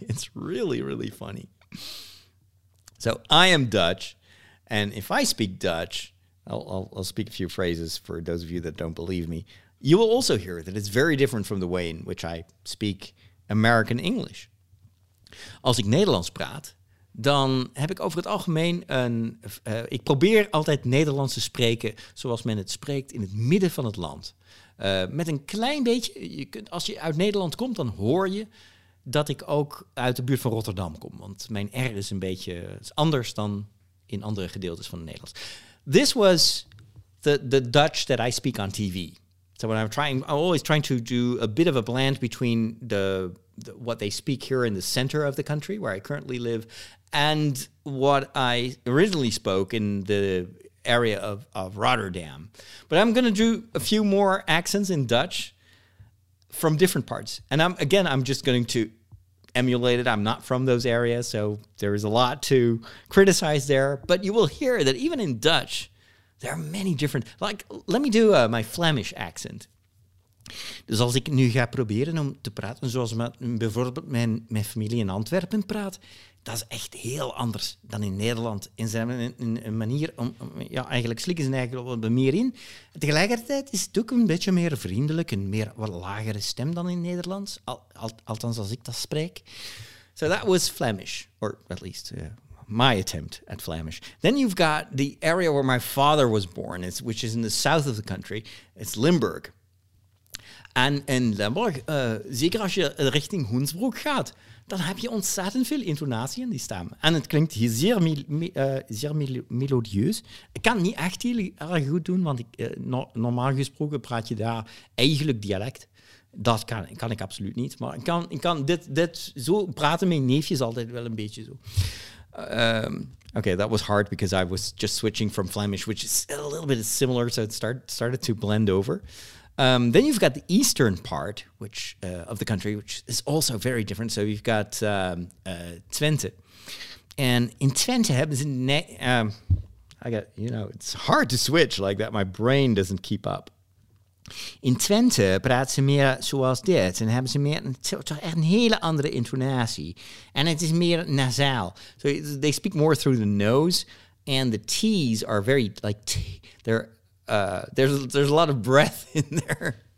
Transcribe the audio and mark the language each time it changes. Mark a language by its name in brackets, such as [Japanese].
[English] It's really, really funny. So I am Dutch. And if I speak Dutch, I'll speak a few phrases for those of you that don't believe me. You will also hear that it's very different from the way in which I speak American English. [Dutch] Als ik Nederlands praat, dan heb ik over het algemeen een... ik probeer altijd Nederlands te spreken zoals men het spreekt in het midden van het land. Met een klein beetje... Je kunt, als je uit Nederland komt, dan hoor je dat ik ook uit de buurt van Rotterdam kom. Want mijn R is een beetje anders dan in andere gedeeltes van het Nederlands. [English] This was the Dutch that I speak on TV. So when I'm always trying to do a bit of a blend between the what they speak here in the center of the country where I currently live and what I originally spoke in the area of Rotterdam. But I'm going to do a few more accents in Dutch from different parts. And I'm just going to emulate it. I'm not from those areas, so there is a lot to criticize there. But you will hear that even in Dutch, there are many different... Like, let me do my Flemish accent. [Dutch] Dus als ik nu ga proberen om te praten zoals bijvoorbeeld mijn familie in Antwerpen praat, dat is echt heel anders dan in Nederland. En ze hebben een manier om... Ja, eigenlijk slikken ze eigenlijk wat meer in. Tegelijkertijd is het ook een beetje meer vriendelijk, een meer wat lagere stem dan in Nederlands. Althans, als ik dat spreek. [English] So that was Flemish. Or at least my attempt at Flemish. Then you've got the area where my father was born, which is in the south of the country. It's Limburg. [Dutch] En in Limburg, zeker als je richting Hunsbruck gaat, dan heb je ontzettend veel intonatie in die stem. En het klinkt hier zeer melodieus. Ik kan het niet echt heel erg goed doen, want normaal gesproken praat je daar eigenlijk dialect. Dat kan ik absoluut niet. Maar ik kan dit zo praten mijn neefjes altijd wel een beetje zo. [English] Okay, that was hard because I was just switching from Flemish, which is a little bit similar, so it started to blend over. Then you've got the eastern part of the country, which is also very different. So you've got Twente. And in Twente, it's hard to switch like that. My brain doesn't keep up. [Dutch] In Twente praat ze meer zoals dit. En hebben ze meer een hele andere intonatie. En het is meer nasaal. [English] So they speak more through the nose. And the T's are very, like, there's a lot of breath in there.